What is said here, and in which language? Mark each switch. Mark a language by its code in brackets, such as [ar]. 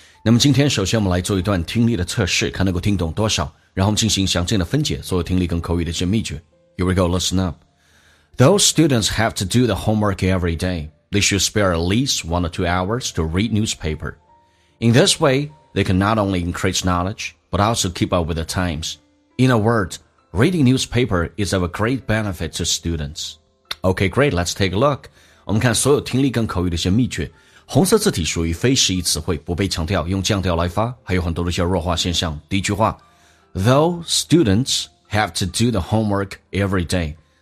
[zh] 那么今天首先我们来做一段听力的测试，看能够听懂多少，然后进行详尽的分解所有听力跟口语的一些秘诀。 [en] Here we go, listen up. Those students have to do the homework every day. They should spare at least 1 or 2 hours to read newspaper. In this way, they can not only increase knowledge, but also keep up with the times. In a word, reading newspaper is of a great benefit to students. Okay, great, let's take a look. [zh] 我们看所有听力跟口语的一些秘诀。红色字体属于非示意词汇，不被强调，用降调来发，还有很多的一些弱化现象。第一句话， [en] Though students have to do the homework every day.